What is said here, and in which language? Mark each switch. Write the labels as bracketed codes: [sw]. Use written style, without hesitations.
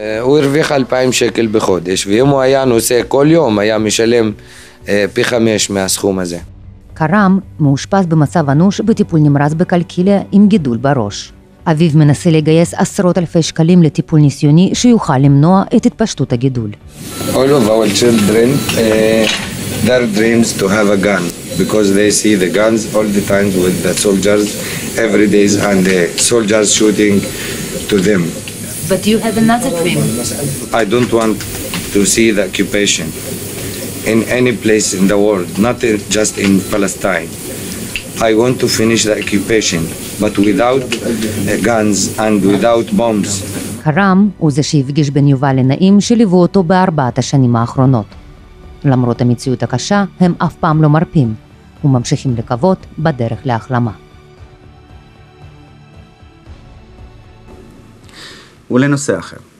[he] הוא הרוויח 2,000 שקל בחודש, ואם הוא היה נוסע כל יום, היה משלם פי 5 מהסכום הזה. קרם מאושפז במצב אנוש בטיפול נמרץ בקלקיליה עם גידול בראש. אביו מנסה לגייס עשרות אלפי שקלים לטיפול ניסיוני שיוכל למנוע את התפשטות הגידול. [en] All of our children, their dreams to have a gun, because they see the guns all the time with the soldiers, every day, and the soldiers shooting to them. But you have another dream. I don't want to see the occupation in any place in the world, not just in Palestine. I want to finish the occupation, but without guns and without bombs. [he] קרם הוא זה שהפגיש בין יובל לנעים שליוו אותו בארבעת השנים האחרונות. למרות המציאות הקשה, הם אף פעם לא מרפים, וממשיכים לקוות בדרך להחלמה. ולנושא אחר.